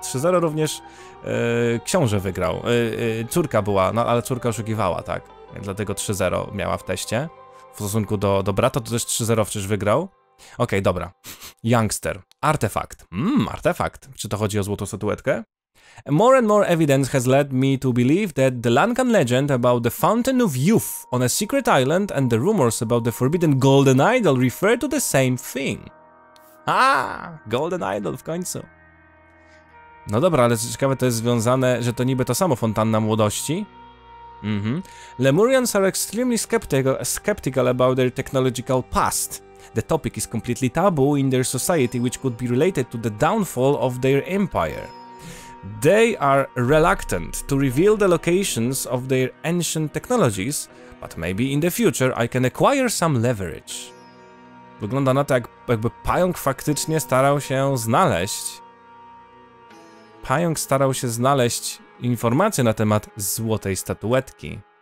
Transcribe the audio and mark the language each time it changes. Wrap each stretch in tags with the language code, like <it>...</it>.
<pl>3-0 również książę wygrał. Córka była, no ale córka oszukiwała, tak? Dlatego 3-0 miała w teście. W stosunku do brata to też 3-0 przecież wygrał. Okej, dobra. Youngster. Artefakt. Artefakt. Czy to chodzi o złotą statuetkę?</pl> <en>More and more evidence has led me to believe that the Lankan legend about the Fountain of Youth on a secret island and the rumors about the forbidden golden idol refer to the same thing. Ah, golden idol</en> <pl>w końcu. No dobra, ale co ciekawe, to jest związane, że to niby to samo fontanna młodości. Mhm.</pl> <en>Lemurians are extremely skeptical about their technological past. The topic is completely taboo in their society, which could be related to the downfall of their empire. They are reluctant to reveal the locations of their ancient technologies, but maybe in the future I can acquire some leverage.</en> <pl>Wygląda na to, jakby pająk faktycznie starał się znaleźć. Pająk starał się znaleźć informacje na temat złotej statuetki.</pl>